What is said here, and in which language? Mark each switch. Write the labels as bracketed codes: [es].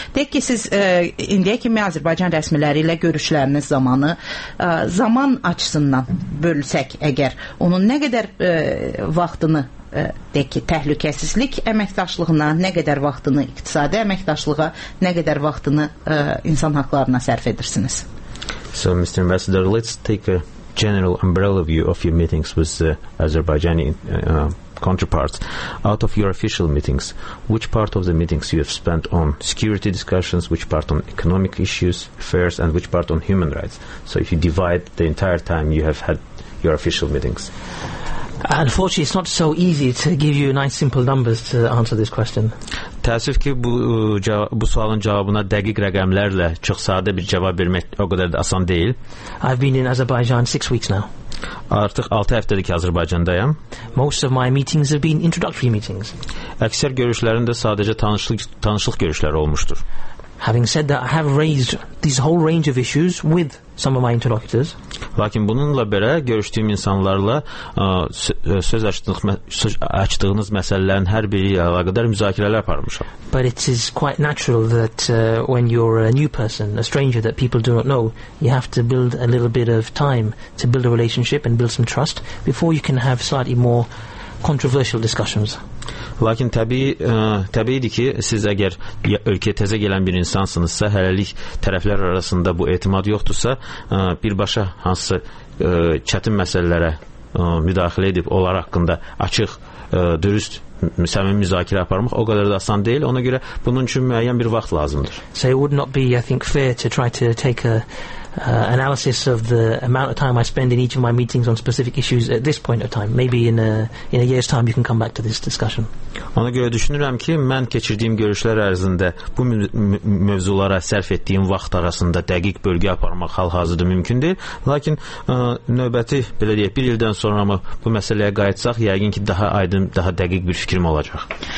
[az] Deyək ki, siz indiyə kimi Azərbaycan rəsmiləri ilə görüşləriniz zamanı zaman açısından bölsək əgər, onun nə qədər vaxtını deyək ki, təhlükəsizlik əməkdaşlığına, nə qədər vaxtını iqtisadi əməkdaşlığa, nə qədər vaxtını insan haqlarına sərf edirsiniz? [en] So, Mr. Ambassador, let's take a general umbrella view of your meetings with the Azerbaijani counterparts. Out of your official meetings, which part of the meetings you have spent on security discussions, which part on economic issues, affairs, and which part on human rights? So if you divide the entire time you have had your official meetings. Unfortunately, it's not so easy to give you nice simple numbers to answer this question. [az] Təəssüf ki, bu sualın cavabına dəqiq rəqəmlərlə çox sadə bir cavab vermək o qədər də asan deyil. [en] I've been in Azerbaijan 6 weeks now. [az] Artıq 6 həftədir ki, Azərbaycandayam. [en] Most of my meetings have been introductory meetings. [az] Əksər görüşlərim də sadəcə tanışlıq görüşləri olmuşdur. [en] Having said that, I have raised this whole range of issues with some of my interlocutors. [az] Lakin bununla belə görüşdüyüm insanlarla söz açdığınız məsələlərin hər biri ilə əlaqədar müzakirələr aparmışam. [en] But it is quite natural that when you're a new person, a stranger that people do not know, you have to build a little bit of time to build a relationship and build some trust before you can have slightly more controversial discussions. [az] Lakin təbiidir ki, siz əgər ölkəyə təzə gələn bir insansınızsa, hələlik tərəflər arasında bu etimad yoxdursa, birbaşa hansısa çətin məsələlərə müdaxilə edib onlar haqqında açıq, dürüst, səmimi müzakirə aparmaq o qədər də asan deyil. Ona görə bunun üçün müəyyən bir vaxt lazımdır. [en] So it would not be, I think, fair to try to take analysis of the amount of time I spend in each of my meetings on specific issues at this point of time. Maybe in a year's time you can come back to this discussion. [az] Ona görə düşünürəm ki, mən keçirdiyim görüşlər ərzində bu mövzulara sərf etdiyim vaxt arasında dəqiq bölgə aparmaq hal-hazırda mümkün deyil. Lakin növbəti, belə deyək, bir ildən sonra mı bu məsələyə qayıtsaq, yəqin ki, daha aydın, daha dəqiq bir fikrim olacaq.